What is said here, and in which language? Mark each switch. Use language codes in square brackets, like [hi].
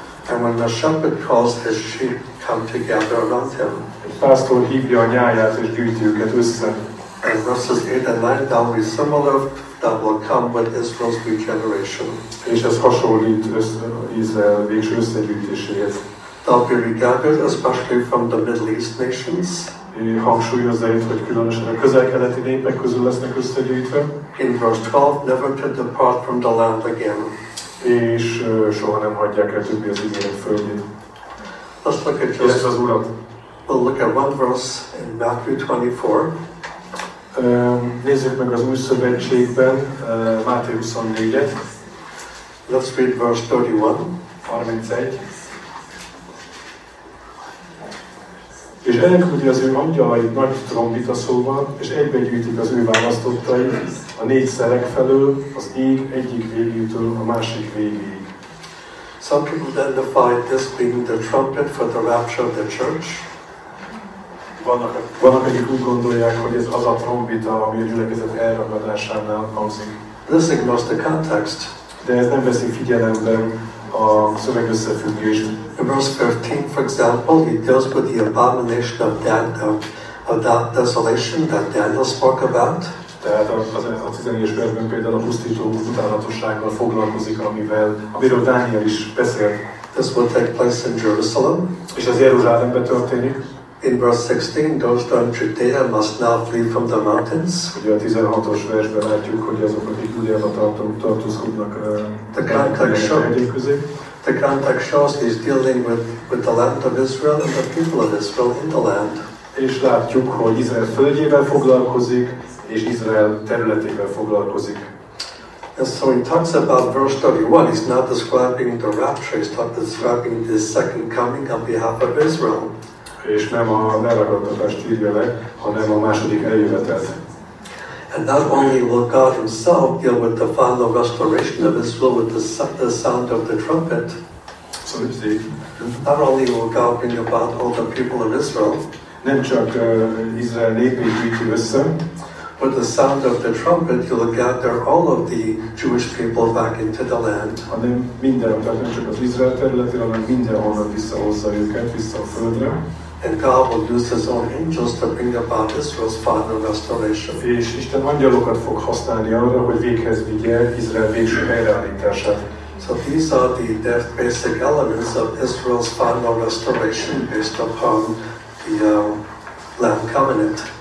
[en] And when the shepherd calls, his sheep come together around him. [hu] Egy pásztor hívja a nyáját és gyűjti őket össze. [en] And verses 8 and 9, there will be similar that will come with Israel's regeneration. [hu] És ez hasonlít Izrael végső összegyűjtéséhez. [en] They'll be regarded especially from the Middle East nations. [hu] Hangsúlyozza itt, hogy különösen a közel-keleti népek közül lesznek összegyűjtve. [en] In verse 12, never to depart from the land again. [hu] És soha nem hagyják el többé az ígéret földjét. [en] Let's look at [hu] just, az Urat. [en] We'll look at one verse in Matthew 24. [hu] Nézzük meg az Új Szövetségben Máté 24-et. [en] Let's read verse 31. [hu] 31. És elküldi az ő angyalait nagy trombita szóval, és egybegyűjtik az ő választottait a négy szelek felől, az ég egyik végétől a másik végéig. [en] Some people identify this being the trumpet for the rapture of the church. [hu] Vannak, akik úgy gondolják, hogy ez az a trombita, ami a gyülekezet elragadásánál hangzik. [en] This ignores the context. [hu] De ez nem veszi figyelembe a szöveg összefüggését. [en] In verse 15, for example, he deals with the abomination of that desolation that Daniel spoke about. [hu] Tehát a 14-es versben például a pusztító utálatossággal foglalkozik, amiről Dániel is beszélt. [en] This will take place in Jerusalem. [hu] És az Jeruzsálemben történik. [en] In verse 16, those from Judea must now flee from the mountains. [hu] Ugye a 16-os versben látjuk, hogy azok, akik Judeába tartózkodnak, [en] The context shows he's dealing with the land of Israel and the people of Israel in the land. [hu] És látjuk, hogy Izrael földjével foglalkozik, és Izrael területével foglalkozik. [en] And so he talks about verse 31, he's not describing the rapture, he's not describing the second coming on behalf of Israel. [hu] És nem a leragadtatást írja le, hanem a második eljövetelt. [en] And not only will God himself deal with the final restoration of Israel with the sound of the trumpet. So you see. Not only will God bring about all the people of Israel. [hu] Nem csak Izrael népét gyűjti össze. [en] With the sound of the trumpet, he will gather all of the Jewish people back into the land. [hu] Hanem minden, tehát nem csak az Izrael területén, hanem mindenhonnan visszahozza őket, vissza a földre. [en] And God will use his own angels to bring about Israel's final restoration. [hu] És Isten angyalokat fog használni arra, hogy véghez vigye Izrael végső helyreállítását. [en] So these are the death basic elements of Israel's final restoration based upon the land covenant.